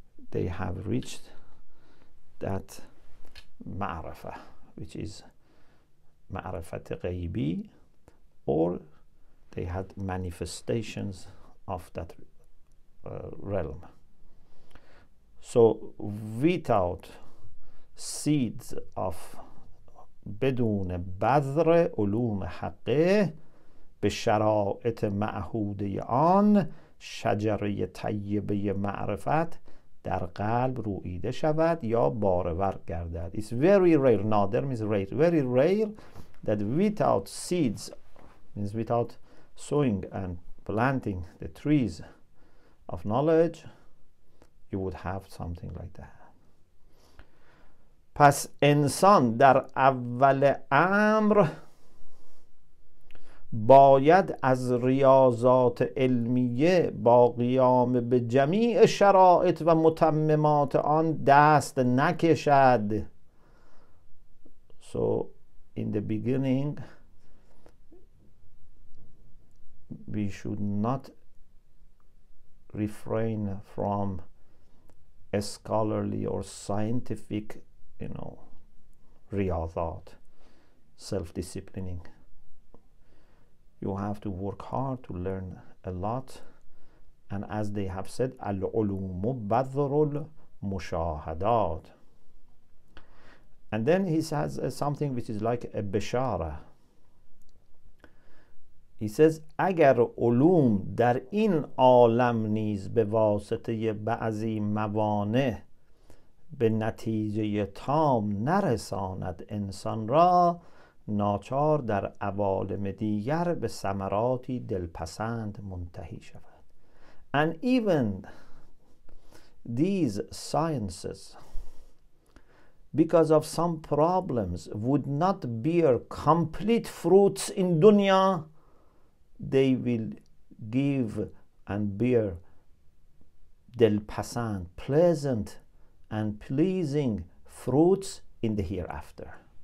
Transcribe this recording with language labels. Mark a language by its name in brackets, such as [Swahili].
[English] they have reached that ma'rifah, which is ma'rifat ghaybi, or they had manifestations of that realm. So without seeds of [Persian] بدون بذر علوم حقه به شرائط معهود آن شجره طیبه معرفت در قلب رویده شود یا بارور گردد. [English] It's very rare, nadir means rare, very rare, that without seeds, means without sowing and planting the trees of knowledge, you would have something like that. [Persian] پس انسان در اول امر باید از ریاضات علمیه با قیام به جمیع شرایط و متممات آن دست نکشد. [English] So in the beginning we should not refrain from a scholarly or scientific, you know, riyadhat, self-disciplining. You have to work hard to learn a lot, And as they have said, [Arabic] al-ulumu badrul mushahadat. [English] And then he says something which is like a bishara. He says, [Persian] agar ulum dar in alam niz be vasite ba'zi mawane به نتیجه تام نرساند انسان را ناچار در عوالم دیگر به ثمراتی دلپسند منتهی شود. [English] And even these sciences, because of some problems, would not bear complete fruits in dunya, they will give and bear دلپسند, pleasant and pleasing fruits in the hereafter.